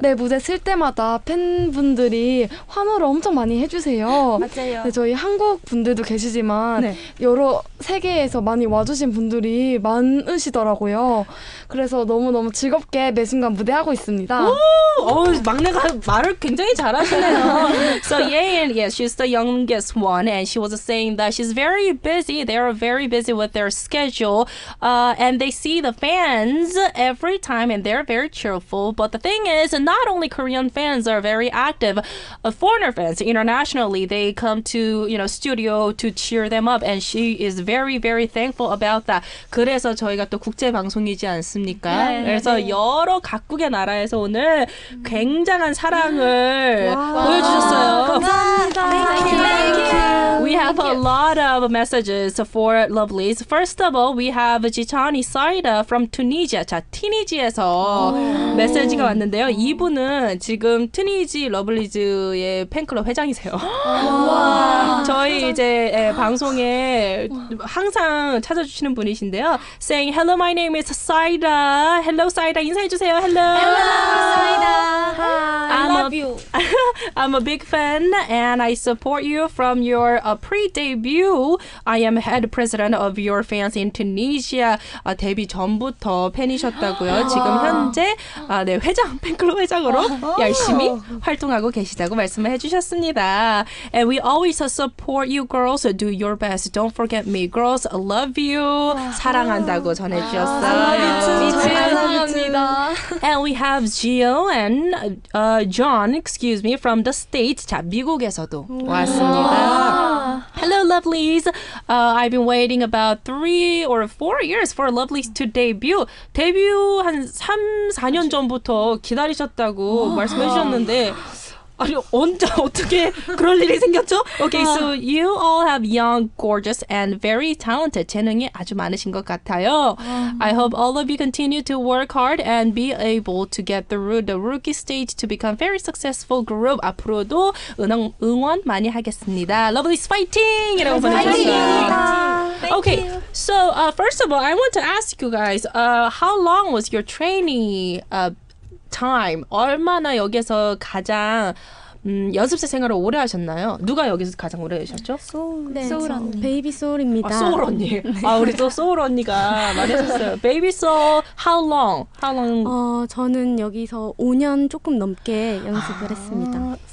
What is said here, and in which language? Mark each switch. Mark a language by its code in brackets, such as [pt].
[ko] 네, 무대 쓸 때마다 팬분들이 환호를 엄청 많이 해주세요. 맞아요. 네, 저희 한국 분들도 계시지만 네. 여러 세계에서 많이 와주신 분들이 많으시더라고요. 그래서 너무너무 즐겁게 매 순간 무대하고 있습니다. 오! 막내가 말을 굉장히 잘하시네요. [en] So Yein, yeah, she's the youngest one, and she was saying that she's very busy. They are very busy with their schedule, and they see the fans every time, and they're very cheerful. But the thing is, not only Korean fans are very active, foreigner fans internationally, they come to, you know, studio to cheer them up, and she is very, very thankful about that. [ko] 그래서 저희가 또 국제 방송이지 않습니까? 그래서 여러 각국의 나라에서 오늘 굉장한 사랑을 보여주셨어요. 감사합니다. [en] Thank you. We have a lot of messages for Lovelies. First of all, we have Jichani Saida from Tunisia. [ko] 자, 티니지에서 메시지가 왔는데요. 이분은 지금 트니지 러블리즈의 팬클럽 회장이세요. 저희 이제 방송에 항상 찾아주시는 분이신데요. [en] Saying, hello, my name is Saida. Hello, Saida. [ko] 인사해주세요. [en] Hello. Hello, Saida. I'm a big fan and I support you from your pre-debut. I am head president of your fans in Tunisia. [ko] 데뷔 전부터 팬이셨다고요. 지금 현재 네, 회장, 팬클럽 회장으로 열심히 활동하고 계시다고 말씀을 해주셨습니다. [en] And we always support you girls. Do your best. Don't forget me, girls. I love you. [ko] 사랑한다고 전해주셨어요. [en] I love you too. [ko] 감사합니다. [en] And we have Gio and John, excuse me, from the States. [ko] 자, 미국에서도 왔습니다. [en] Hello, lovelies. I've been waiting about 3 or 4 years for lovelies to debut. [ko] 데뷔한 3, 4년 전부터 기다리셨다고 말씀해 주셨는데 아니, 언제, 어떻게 그럴 일이 생겼죠? [en] Okay, so you all have young, gorgeous, and very talented. [ko] 재능이 아주 많으신 것 같아요. [en] I hope all of you continue to work hard and be able to get through the rookie stage to become a very successful group. [ko] 앞으로도 응원 많이 하겠습니다. [en] Lovelies, fighting! [ko] 이라고 보내주셨습니다. [en] Okay, so first of all, I want to ask you guys, how long was your training time. [ko] 얼마나 여기서 가장 연습생 생활을 오래 하셨나요? 누가 여기서 가장 오래 계셨죠? 소울. 네, 소울 언니. 베이비 소울입니다. 아, 소울 언니. 아, 우리 또 소울 언니가 말했었어요. [en] 베이비 소울, how long? How long? [ko] 저는 여기서 5년 조금 넘게 연습을 했습니다.